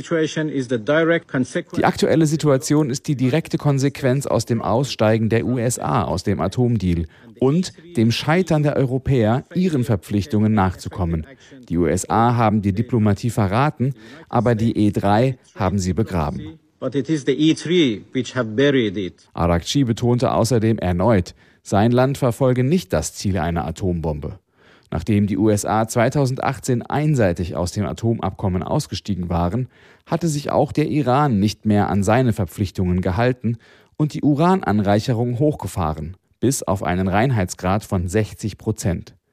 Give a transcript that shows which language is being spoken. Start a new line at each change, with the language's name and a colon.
German: Die aktuelle Situation ist die direkte Konsequenz aus dem Aussteigen der USA aus dem Atomdeal und dem Scheitern der Europäer, ihren Verpflichtungen nachzukommen. Die USA haben die Diplomatie verraten, aber die E3 haben sie begraben.
English: But it is the E3 which have buried it.
German: Araghchi betonte außerdem erneut, sein Land verfolge nicht das Ziel einer Atombombe. Nachdem die USA 2018 einseitig aus dem Atomabkommen ausgestiegen waren, hatte sich auch der Iran nicht mehr an seine Verpflichtungen gehalten und die Urananreicherung hochgefahren, bis auf einen Reinheitsgrad von 60%.